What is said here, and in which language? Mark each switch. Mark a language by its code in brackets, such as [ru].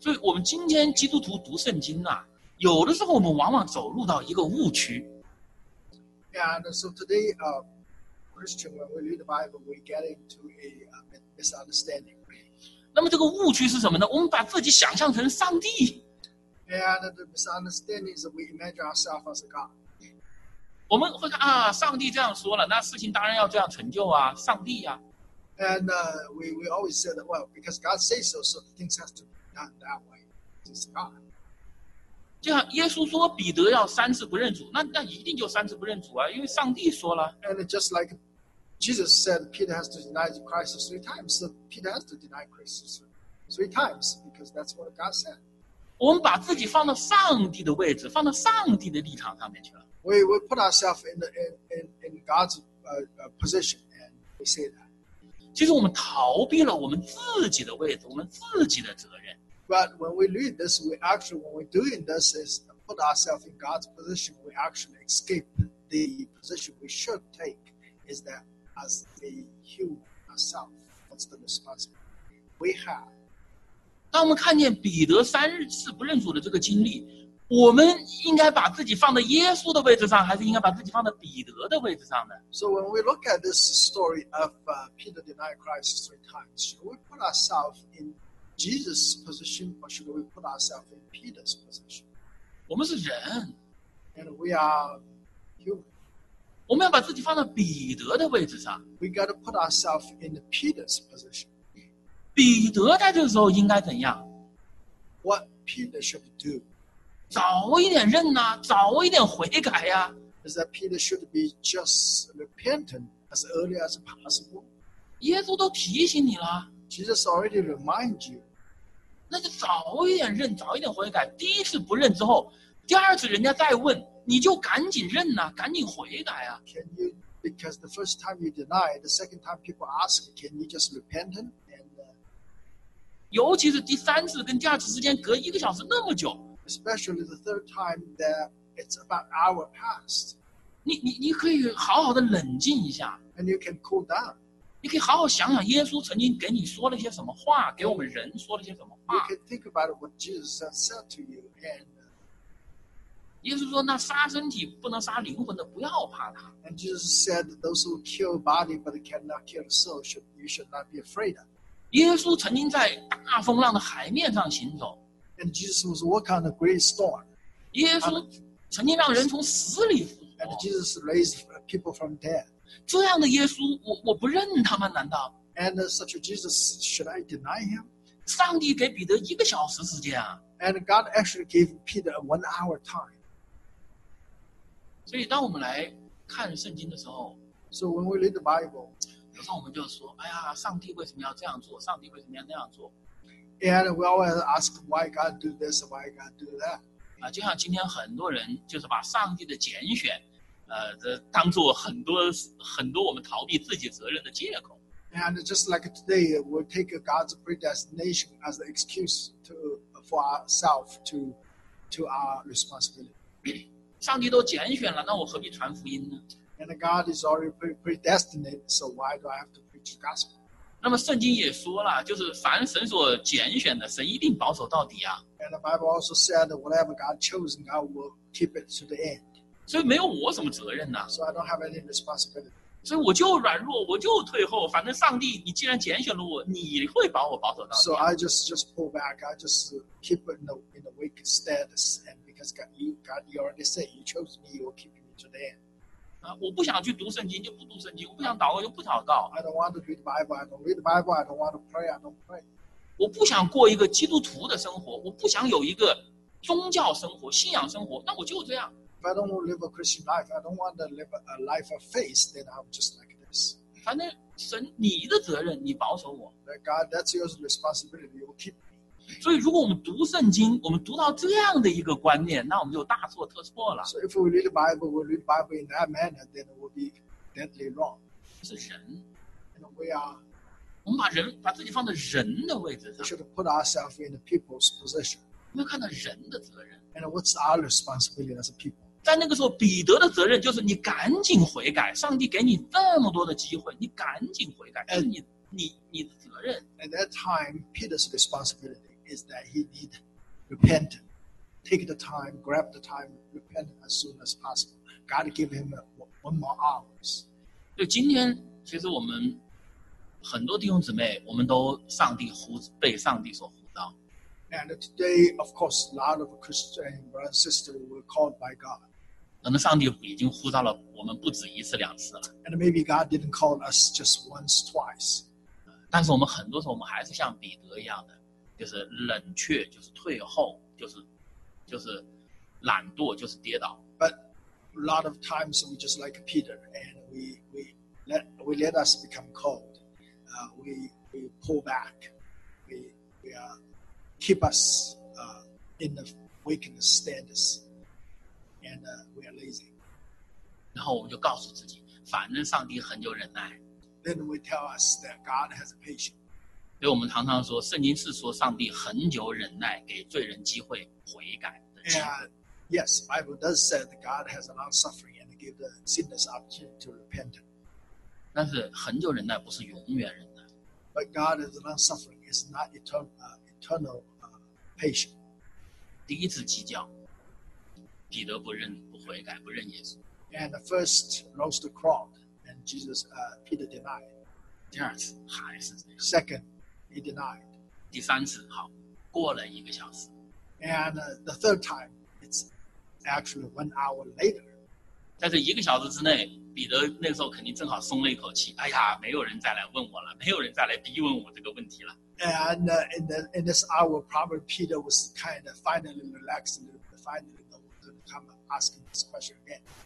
[zh] 所以我们今天基督徒读圣经啊，有的时候我们往往走入到一个误区。 [en] And so today, Christian, when we read the Bible, we get into a misunderstanding. [zh] 那么这个误区是什么呢？我们把自己想象成上帝。 [en] And the misunderstanding is that we imagine ourselves as a God. [zh] 我们会看啊，上帝这样说了，那事情当然要这样成就啊，上帝啊。 [en] And we always said, well, because God says so, so things have to be done that way. practice God. [zh] 就像耶稣说彼得要三次不认主，那一定就三次不认主啊，因为上帝说了。 [en] And just like Jesus said, Peter has to deny Christ three times. So Peter has to deny Christ three times because that's what God said. [zh] 我们把自己放到上帝的位置，放到上帝的立场上面去了。 [en] We put ourselves in God's position and we say that. [zh] 其实我们逃避了我们自己的位置，我们自己的责任。 [en] But when we read this, when we're doing this, is put ourselves in God's position, we actually escape the position we should take, is that as a human ourselves, what's the responsibility we have? [zh] 当我们看见彼得三次不认主的这个经历，我们应该把自己放在耶稣的位置上，还是应该把自己放在彼得的位置上呢？ [en] So when we look at this story of Peter denying Christ three times, should we put ourselves in Jesus' position or should we put ourselves in Peter's position? [zh] 我们是人。 [en] And we are human. [zh] 我们要把自己放在彼得的位置上。 [en] We got to put ourselves in Peter's position. [zh] 彼得在这个时候应该怎样？ [en] What Peter should do? [zh] 早一点认啊，早一点悔改啊。 [en] Is that Peter should be just repentant as early as possible? [zh] 耶稣都提醒你了。 [en] Jesus already reminded you. [zh] 那就早一点认，早一点悔改。第一次不认之后，第二次人家再问，你就赶紧认呐，赶紧悔改啊。 [en] Can you, because the first time you deny, the second time people ask, can you just repent and? [zh] 尤其是第三次跟第二次之间隔一个小时那么久。 [en] Especially the third time that it's about an hour past. [zh] 你可以好好的冷静一下。 [en] And you can cool down. [zh] 你可以好好想想耶稣曾经给你说了些什么话，给我们人说了些什么话。 [en] You can think about what Jesus said to you. And [zh] 耶稣说那杀身体不能杀灵魂的不要怕他。 [en] And Jesus said those who kill body but cannot kill soul, you should not be afraid. [zh] 耶稣曾经在大风浪的海面上行走。 [en] And Jesus was walking on a great storm. [zh] 耶稣曾经让人从死里复活。 [en] And Jesus raised people from dead. [zh] 这样的耶稣 我不认他吗难道 [en] And such a Jesus, should I deny him? [zh] 上帝给彼得一个小时时间啊。 [en] And God actually gave Peter a 1 hour time. [zh] 所以当我们来看圣经的时候 [en] So when we read the Bible, [zh] 有时候我们就说哎呀上帝为什么要这样做上帝为什么要那样做 [en] And we always ask why God do this, why God do that.、 [zh] 啊、就像今天很多人就是把上帝的拣选当作很多很多我们逃避自己责任的借口。 [en] And just like today, we take God's predestination as an excuse for ourselves to our responsibility. [zh] 上帝都拣选了，那我何必传福音呢？ [en] And God is already predestined, so why do I have to preach the gospel? [zh] 那么圣经也说了，就是凡神所拣选的，神一定保守到底啊。 [en] And the Bible also said, whatever God chosen, God will keep it to the end. [zh] 所以没有我什么责任呢 [en] So I don't have any responsibility. [zh] 所以我就软弱，我就退后。反正上帝，你既然拣选了我，你会把我保守到底。 [en] So I just pull back. I just keep in the weak status. And because God, you already said you chose me, you will keep me to the end. [zh] 啊，我不想去读圣经，就不读圣经；我不想祷告，就不祷告。 [en] I don't want to read the Bible. I don't read the Bible. I don't want to pray. I don't pray. [zh] 我不想过一个基督徒的生活，我不想有一个宗教生活、信仰生活。那我就这样。 [en] If I don't want to live a Christian life, I don't want to live a life of faith, then I'm just like this. [zh] 反正神，你的责任，你保守我。 [en] God, that's your responsibility. You keep me. [zh] 所以，如果我们读圣经，我们读到这样的一个观念，那我们就大错特错了。 [en] So if we read the Bible, we read the Bible in that manner, then it will be deadly wrong. [zh] 是人。 [en] And we are. [zh] 我们把人把自己放在人的位置上。 [en] We should put ourselves in the people's position. [zh] 我们看到人的责任。 [en] And what's our responsibility as a people? [zh] 在那个时候，彼得的责任就是你赶紧悔改。上帝给你这么多的机会，你赶紧悔改，是你的责任。 [en] At that time, Peter's responsibility is that he need repent, take the time, grab the time, repent as soon as possible. God give him one more hours. [zh] 就今天，其实我们很多弟兄姊妹，我们都被上帝所呼召。 [en] And today, of course, a lot of Christian brothers and sisters were called by God. [zh] 可能上帝已经呼召了我们不止一次两次了。 [en] And maybe God didn't call us just once, twice. [zh] 但是我们很多时候我们还是像彼得一样的。就是冷却，就是退后，就是懒惰，就是跌倒。 [en] But a lot of times we just like Peter, and we let us become cold. We pull back. We keep us in the weakness status, and we are lazy. [zh] 然后我们就告诉自己，反正上帝很有忍耐。 [en] Then we tell us that God has patience. [zh] 所以我们常常说，圣经是说上帝恒久忍耐，给罪人机会悔改的。 [en] Yes, Bible does say that God has a long suffering and give the sinners opportunity to repent. [zh] 但是恒久忍耐不是永远忍耐。 [en] But God is a long suffering is not eternal patience. [zh] 第一次鸡叫，彼得不认不悔改不认耶稣。 [en] And the first roast crowd, and Jesus, Peter denied. [zh] 第二次还是这样。 [en] Second. He denied. [zh] 第三次，好，过了一个小时。 [en] And the third time, it's actually 1 hour later. [zh] 在这一个小时之内，彼得那时候肯定正好松了一口气。哎呀，没有人再来问我了，没有人再来逼问我这个问题了。 [en] And in this hour, probably Peter was kind of finally relaxed, finally going to come asking this question again.